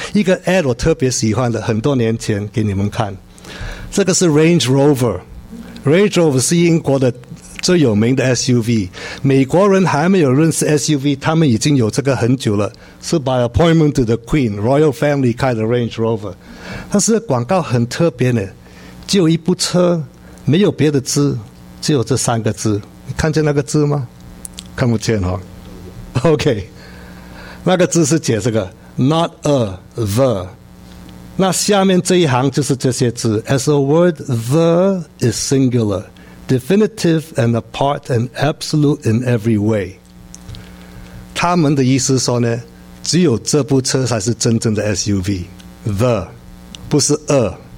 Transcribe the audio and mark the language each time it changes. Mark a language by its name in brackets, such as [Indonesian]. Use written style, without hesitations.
[Chinese] 一个 ad 我特别喜欢的，很多年前给你们看，这个是 Range Rover， Range Rover 是英国的最有名的 SUV， 美国人还没有认识 SUV， 他们已经有这个很久了，是 [English] by appointment to the Queen Royal Family [Chinese] 开的 Range Rover。但是广告很特别呢，只有一部车，没有别的字，只有这三个字，你看见那个字吗？看不见哦。 [English] OK， [Chinese] 那个字是解这个 [English] Not a the， [Chinese] 那下面这一行就是这些字， [English] As a word the is singularDefinitive and apart and absolute in every way。 [Chinese] 他们的意思说呢，只有这部车才是真正的 SUV， The 不是 A。